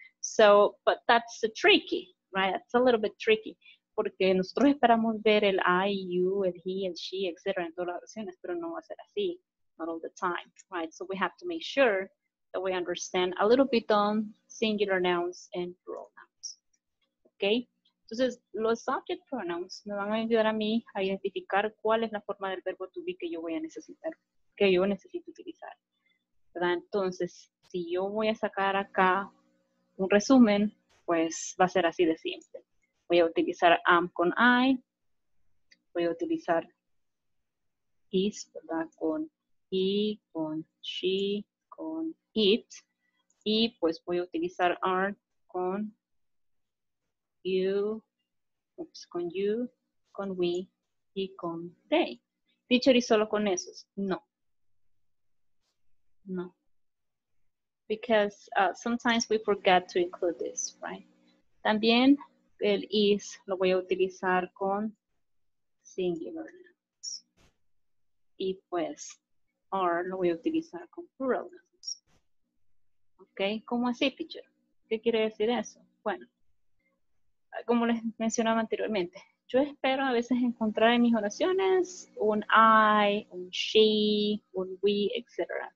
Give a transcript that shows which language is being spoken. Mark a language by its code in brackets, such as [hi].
[en] So, but that's tricky, right? That's a little bit tricky. [es] Porque nosotros esperamos ver el I, you, el he, el she, etc. en todas las oraciones, pero no va a ser así, [en] not all the time, [es] right? [en] So we have to make sure that we understand a little bit on singular nouns and plural nouns, okay? [es] Entonces, los subject pronouns me van a ayudar a mí a identificar cuál es la forma del verbo to be que yo voy a necesitar, que yo necesito utilizar, ¿verdad? Entonces, si yo voy a sacar acá un resumen, pues va a ser así de simple. Voy a utilizar am con I, voy a utilizar is, ¿verdad? Con he, con she, con it, y pues voy a utilizar are con you, oops, con you, con we, y con they. Teacher, ¿y solo con esos? No. No. [en] Because sometimes we forget to include this, right? [es] También el is lo voy a utilizar con singular nouns. Y pues, are lo voy a utilizar con plural nouns. ¿Ok? ¿Cómo así, teacher? ¿Qué quiere decir eso? Bueno, como les mencionaba anteriormente, yo espero a veces encontrar en mis oraciones un I, un she, un we, etc.